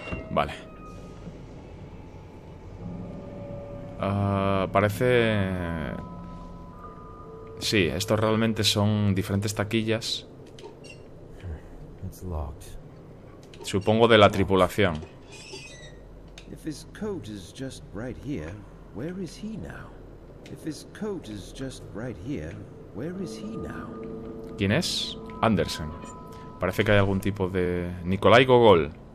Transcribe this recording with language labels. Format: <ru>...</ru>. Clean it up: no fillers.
<es>Vale. Parece... Sí, estos realmente son diferentes taquillas. Supongo de la tripulación.</es> <en>If his coat is just right here, where is he now? If his coat is just right here, where is he now?</en> <es>¿Quién es? Andersen. Parece que hay algún tipo de Nikolai Gogol.</es>